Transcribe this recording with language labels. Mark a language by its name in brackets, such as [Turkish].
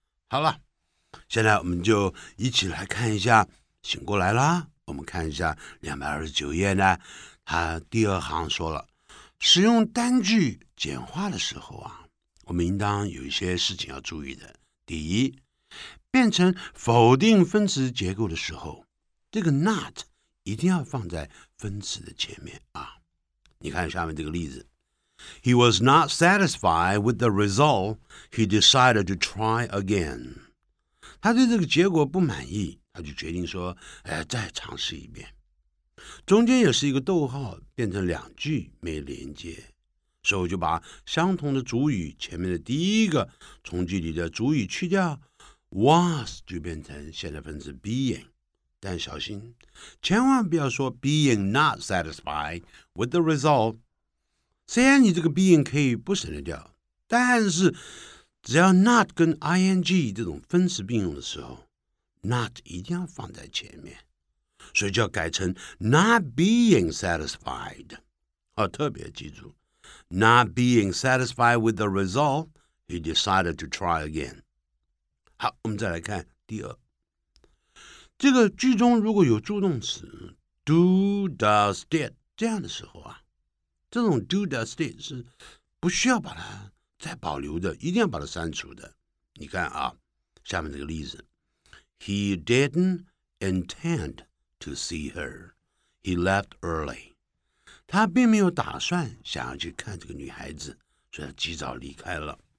[Chinese] 好了，现在我们就一起来看一下，醒过来啦，我们看一下229页呢，他第二行说了，使用单句简化的时候啊，我们应当有一些事情要注意的。第一，变成否定分词结构的时候，这个 not 一定要放在分词的前面啊。你看下面这个例子 [English] ，He was not satisfied with the result. He decided to try again. [Chinese] 他对这个结果不满意，他就决定说，哎，再尝试一遍。中间也是一个逗号，变成两句没连接，所以我就把相同的主语前面的第一个从句里的主语去掉， was 就变成现在分词 being， 但小心，千万不要说 [English] being not satisfied with the result。 [Chinese] 虽然你这个 being 可以不省略掉，但是只要 not 跟 ing 这种分词并用的时候 ，not 一定要放在前面，所以就要改成 not being satisfied。好，特别记住 [English] ，not being satisfied with the result, he decided to try again。 [Chinese] 好，我们再来看第二。这个句中如果有助动词 do, does, did 这样的时候啊，这种 do, does, did 是不需要把它再保留的，一定要把它删除的。你看啊，下面这个例子 [English] ，He didn't intend to see her. He left early. [Chinese] 他并没有打算想要去看这个女孩子，所以他及早离开了。